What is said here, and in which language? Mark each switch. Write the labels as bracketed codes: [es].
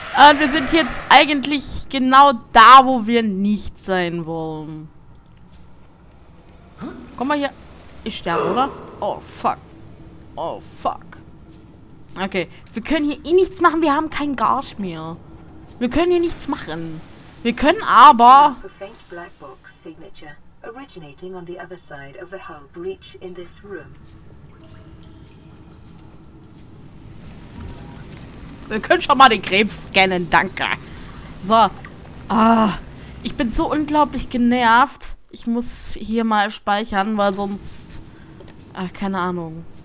[de] Und wir sind jetzt eigentlich genau da, wo wir nicht sein wollen. Komm mal hier. Ich sterbe, oder? Oh, fuck. Oh, fuck. Okay. Wir können hier eh nichts machen. Wir haben keinen Garsch mehr. Wir können hier nichts machen. Wir können aber... Perfekt Blackbox Signature. [en] Originating on the other side of the hull breach in this room. [de] Wir können schon mal den Krebs scannen. Danke. So. Ah. Ich bin so unglaublich genervt. Ich muss hier mal speichern, weil sonst... Ach, keine Ahnung.